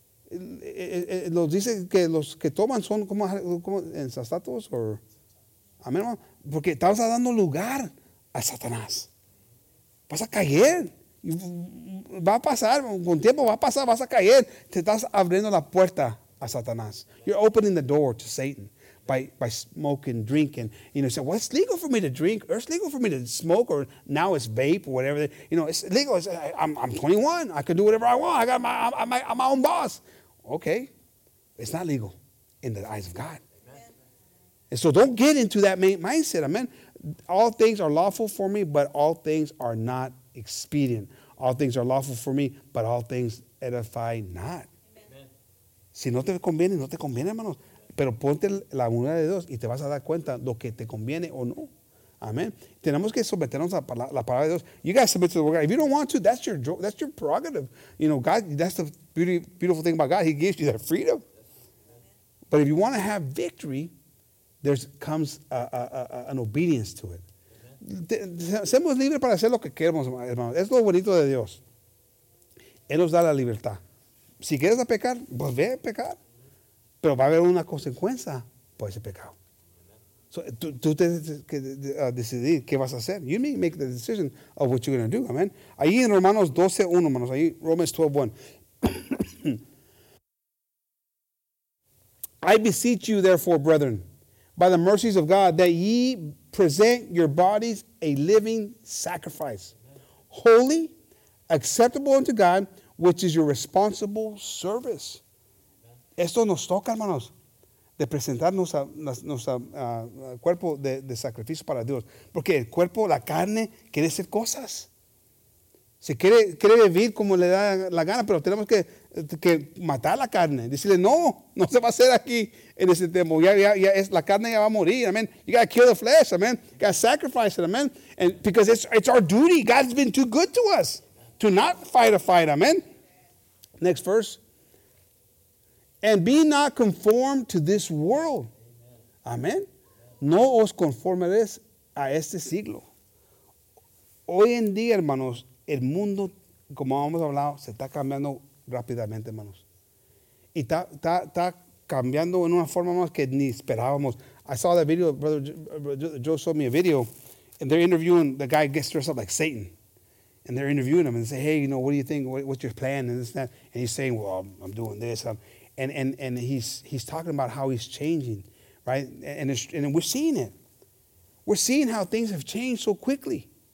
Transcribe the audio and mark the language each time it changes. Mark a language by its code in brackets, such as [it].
[es] Los dice que los que toman son como insensatos o amén, porque estás dando lugar a Satanás. Vas a caer. Va a pasar, con tiempo va a pasar, vas a caer. Te estás abriendo la puerta a Satanás. [en] You're opening the door to Satan by smoking, drinking. You know, say, well, it's legal for me to drink, or it's legal for me to smoke, or now it's vape or whatever. You know, it's legal. I'm 21. I can do whatever I want. I'm my own boss. Okay. It's not legal in the eyes of God. Amen. And so don't get into that mindset. Amen. All things are lawful for me, but all things are not expedient. All things are lawful for me, but all things edify not. [es] Amen. Si no te conviene, no te conviene, hermanos. Pero ponte la voluntad de Dios y te vas a dar cuenta lo que te conviene o no. Amen. Tenemos que someternos a la palabra de Dios. [en] You got to submit to the word. If you don't want to, that's your prerogative. You know, God, that's the beautiful thing about God. He gives you that freedom. But if you want to have victory, there comes an obedience to it. [es] Seamos libres para hacer lo que queremos, hermanos. Es lo bonito de Dios. Él nos da la libertad. Si quieres a pecar, pues ve a pecar. Pero va a haber una consecuencia por ese pecado. So, tú tienes que decidir qué vas a hacer. [en] You need to make the decision of what you're going to do. Amen. [es] Ahí en Romanos 12:1, hermanos. [en] Ahí Romans 12:1. I beseech you, therefore, brethren, by the mercies of God, that ye present your bodies a living sacrifice, holy, acceptable unto God, which is your responsible service. [es] Esto nos toca, hermanos, de presentar nuestro cuerpo de sacrificio para Dios. Porque el cuerpo, la carne, quiere hacer cosas. Se quiere vivir como le da la gana, pero tenemos que matar la carne. Decirle, no se va a hacer aquí en este tiempo. Ya es, la carne ya va a morir. [en] Amen. You got to kill the flesh. Amen. You got to sacrifice it. Amen. And because it's our duty. God's been too good to us to not fight a fight. Amen. Next verse. And be not conformed to this world. Amen. [es] No os conformes a este siglo. Hoy en día, hermanos, el mundo, como hemos hablado, se está cambiando rápidamente, hermanos. Y está cambiando en una forma más que ni esperábamos. [en] I saw that video, Brother Joe showed me a video, and they're interviewing, the guy gets dressed up like Satan. And they're interviewing him and say, hey, you know, what do you think? What's your plan? And this and that. And he's saying, well, I'm doing this. And he's talking about how he's changing, right? And we're seeing it. We're seeing how things have changed so quickly.